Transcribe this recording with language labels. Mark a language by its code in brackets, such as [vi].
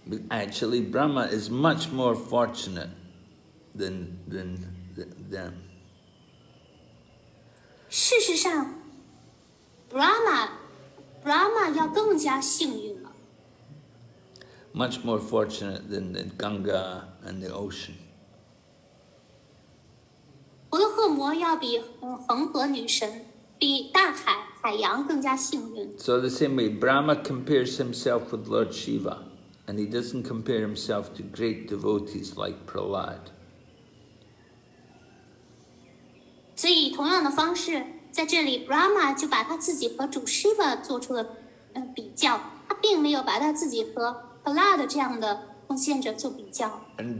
[en] Actually, Brahma is much more fortunate than them. [zh] 事实上, Brahma 要更加幸运了。 [en] Much more fortunate than Ganga and the ocean. [zh] 婆罗诃摩要比恒河女神、比大海、海洋更加幸运。 [en] So the same way, Brahma compares himself with Lord Shiva. And he doesn't compare himself to great devotees like Prahlad. [zh] 所以同样的方式，在这里 Brahma 就把他自己和主 Shiva 做出了比较，他并没有把他自己和 Prahlad 这样的奉献者做比较。 [en] And